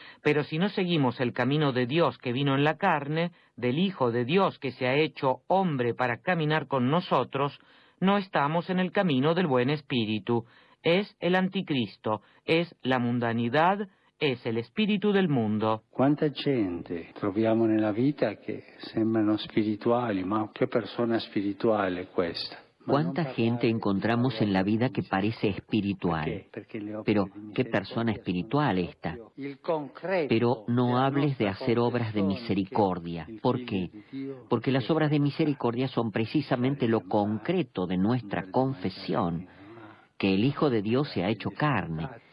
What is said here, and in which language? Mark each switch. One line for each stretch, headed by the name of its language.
Spanish: Pero si no seguimos el camino de Dios que vino en la carne, del Hijo de Dios que se ha hecho hombre para caminar con nosotros, no estamos en el camino del buen espíritu. Es el anticristo, es la mundanidad, es el espíritu del mundo. ¿Cuánta gente
Italian: troviamo nella vita che sembrano spirituali, ma che persona spirituale questa?
Spanish: ¿Cuánta gente encontramos en la vida que parece espiritual? Pero, ¿qué persona espiritual esta? Pero no hables de hacer obras de misericordia. ¿Por qué? Porque las obras de misericordia son precisamente lo concreto de nuestra confesión, que el Hijo de Dios se ha hecho carne.